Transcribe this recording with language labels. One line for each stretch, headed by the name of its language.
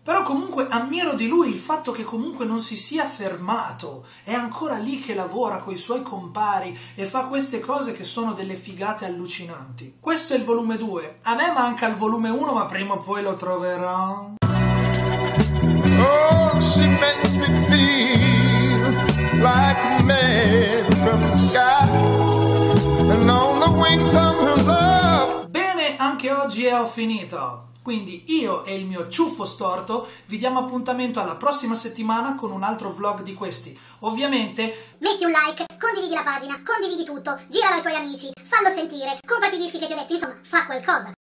Italian: Però comunque ammiro di lui il fatto che comunque non si sia fermato, è ancora lì che lavora coi suoi compari e fa queste cose che sono delle figate allucinanti. Questo è il volume 2, a me manca il volume 1 ma prima o poi lo troverò.
English: Oh, she makes me feel like a man from the sky and on the wings of her love.
Italian: Bene, anche oggi ho finito. Quindi io e il mio ciuffo storto vi diamo appuntamento alla prossima settimana con un altro vlog di questi. Ovviamente metti un like, condividi la pagina, condividi tutto, giralo ai tuoi amici, fallo sentire, comprati i dischi che ti ho detto, insomma, fa qualcosa.